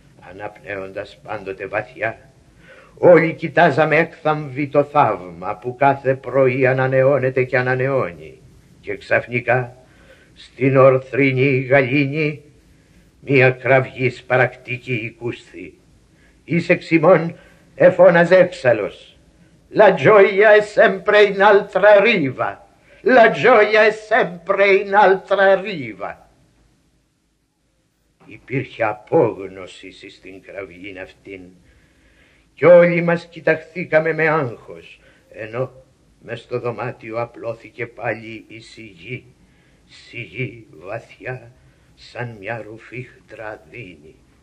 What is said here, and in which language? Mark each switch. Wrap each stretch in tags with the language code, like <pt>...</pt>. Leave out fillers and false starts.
<el>Αναπνέοντας πάντοτε βαθιά, όλοι κοιτάζαμε έκθαμβοι το θαύμα που κάθε πρωί ανανεώνεται και ανανεώνει. Και ξαφνικά, στην ορθρινή γαλήνη, μία κραυγή σπαρακτική οικούσθη. Είσαι ξημών, εφώναζε έξαλλος.</el> <it>«La gioia è sempre in altra riva! La gioia è sempre in altra riva!»</it> <el>Υπήρχε απόγνωση στην κραυγή αυτήν. Κι όλοι μας κοιταχθήκαμε με άγχος, ενώ μες στο δωμάτιο απλώθηκε πάλι η σιγή, σιγή βαθιά σαν μια ρουφίχτρα δίνη.</el>